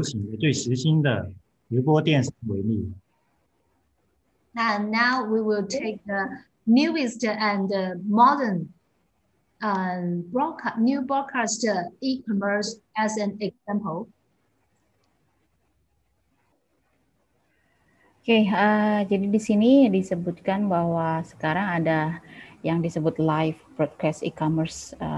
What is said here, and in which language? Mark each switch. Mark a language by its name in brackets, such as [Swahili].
[Chinese] 电商模式最流行的、最时兴的直播电商为例。 [English] And now we will take the newest and modern broadcast e-commerce as an example. [Indonesian] Oke, jadi di sini disebutkan bahwa sekarang ada yang disebut live broadcast e-commerce.